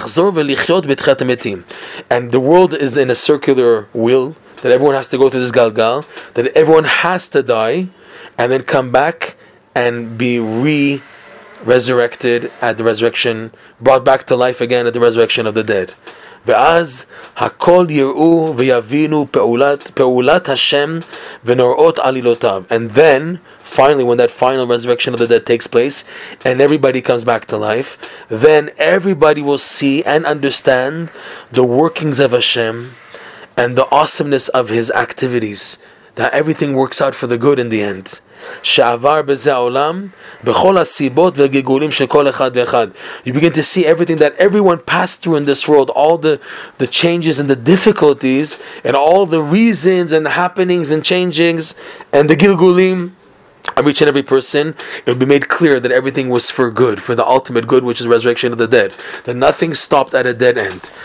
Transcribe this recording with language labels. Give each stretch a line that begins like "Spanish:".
English: And the world is in a circular wheel that everyone has to go through this galgal, that everyone has to die and then come back and be resurrected at the resurrection, brought back to life again at the resurrection of the dead.
Hebrew: ואז הכל יראו ויבינו פעולת השם ונראות עלילותיו.
English: And then, finally, when that final resurrection of the dead takes place and everybody comes back to life, then everybody will see and understand the workings of Hashem and the awesomeness of His activities, that everything works out for the good in the end.
Hebrew: שעבר בזה העולם בכל הסיבות וגלגולים של כל אחד ואחד.
English: You begin to see everything that everyone passed through in this world, all the changes and the difficulties and all the reasons and happenings and changings and the גלגולים of each and every person. It will be made clear that everything was for good, for the ultimate good, which is resurrection of the dead, that nothing stopped at a dead end.